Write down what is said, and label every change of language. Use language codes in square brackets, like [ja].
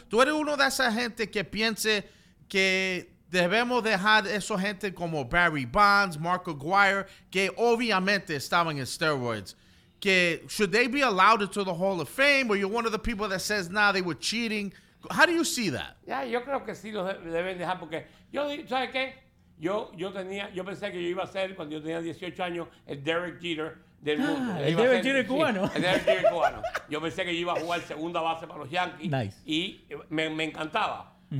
[es] ¿Tú eres uno de esa gente que piense que debemos dejar esa gente como Barry Bonds, Mark McGwire, que obviamente estaban en steroids? [en] Que, should they be allowed into the Hall of Fame? Or you're one of the people that says, nah, they were cheating? How do you see that? [es] Yeah, yo creo que sí los deben dejar porque, ¿sabes qué? Yo pensé que yo iba a ser, cuando yo tenía 18 años, el Derek Jeter del mundo. El Derek Jeter cubano. Yo pensé que yo iba a jugar segunda base para los Yankees. [en] Nice. [es] Y me encantaba.